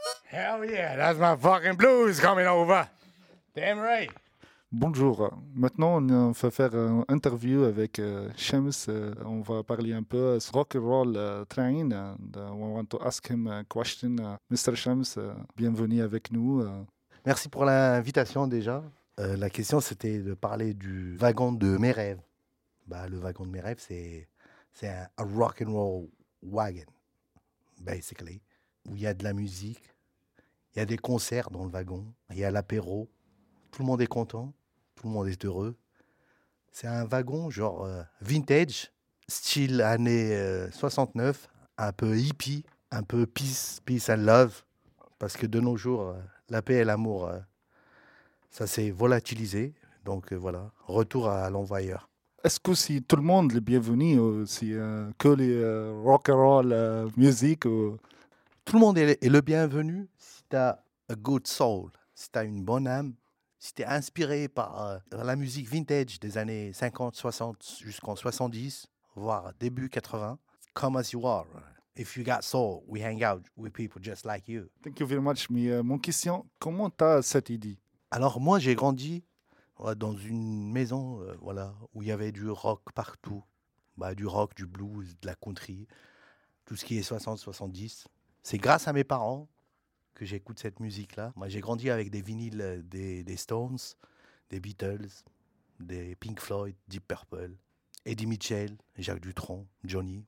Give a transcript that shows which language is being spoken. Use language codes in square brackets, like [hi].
[en] Hell yeah, that's my fucking blues coming over. Damn right. [fr] Bonjour. Maintenant, on va faire une interview avec Shams. On va parler un peu de rock and roll train. [en] And we want to ask him a question. [fr] Mr. Shams, bienvenue avec nous. Merci pour l'invitation déjà. La question, c'était de parler du wagon de mes rêves. Bah, le wagon de mes rêves, c'est un rock and roll wagon, basically. Où il y a de la musique, il y a des concerts dans le wagon, il y a l'apéro. Tout le monde est content, tout le monde est heureux. C'est un wagon genre vintage, style années 69, un peu hippie, un peu peace, peace and love. Parce que de nos jours, la paix et l'amour, ça s'est volatilisé. Donc voilà, retour à l'envoyeur. Est-ce que si tout le monde est bienvenu ou si que les rock and roll, musique ou... Tout le monde est le bienvenu si tu as [en] a good soul, [fr] si tu as une bonne âme. Si t'es inspiré par la musique vintage des années 50, 60 jusqu'en 70, voire début 80, [en] come as you are. If you got soul, we hang out with people just like you. Thank you very much. [fr] Mais mon question, comment t'as cette idée? Alors moi, j'ai grandi dans une maison où il y avait du rock partout. Bah, du rock, du blues, de la country, tout ce qui est 60, 70. C'est grâce à mes parents que j'écoute cette musique-là. Moi, j'ai grandi avec des vinyles des Stones, des Beatles, des Pink Floyd, Deep Purple, Eddie Mitchell, Jacques Dutronc, Johnny.